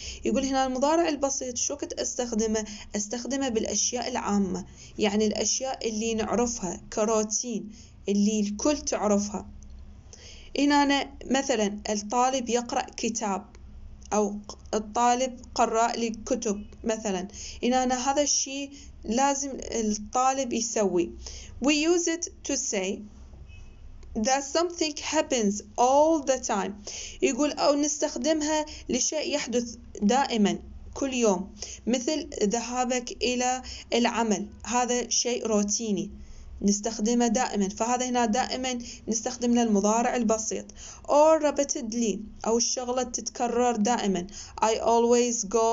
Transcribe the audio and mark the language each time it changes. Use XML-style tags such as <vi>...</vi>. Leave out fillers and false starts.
<ar>يقول هنا المضارع البسيط شو كنت أستخدمه بالأشياء العامة يعني الأشياء اللي نعرفها كروتين اللي الكل تعرفها. هنا مثلا الطالب يقرأ كتاب أو الطالب قراء لكتب مثلا هنا هذا الشيء لازم الطالب يسوي.</ar> <en>We use it to say that something happens all the time.</en> <ar>يقول أو نستخدمها لشيء يحدث دائما كل يوم مثل ذهابك إلى العمل هذا شيء روتيني نستخدمه دائما. فهذا هنا دائما نستخدم له المضارع البسيط</ar> <en>or repeatedly</en> <ar>أو الشغلة تتكرر دائما</ar> <en>I always</en>